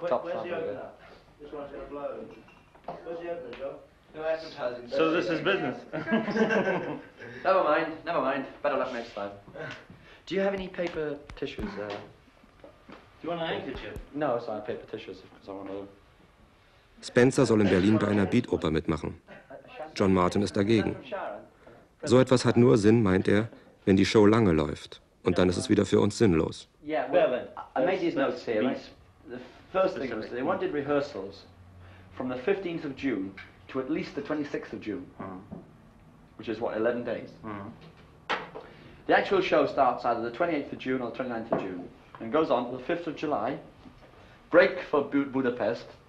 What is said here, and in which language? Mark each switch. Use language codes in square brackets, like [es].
[en] Where's the opener? This one's gonna blow. Where's the opener, John? No advertising. So this is business. Never mind, never mind. Better luck next time. Do you have any paper tissues? Do you want a handkerchief? No, sorry, paper tissues, because I want to. [de] Spencer soll in Berlin bei einer Beat-Oper mitmachen. John Martin ist dagegen. So etwas hat nur Sinn, meint er, wenn die Show lange läuft. Und dann ist es wieder für uns sinnlos. [en] Yeah, well, I made these notes here. The first thing was, they wanted rehearsals from the 15th of June to at least the 26th of June, which is, what, 11 days? The actual show starts either the 28th of June or the 29th of June and goes on to the 5th of July, break for Budapest.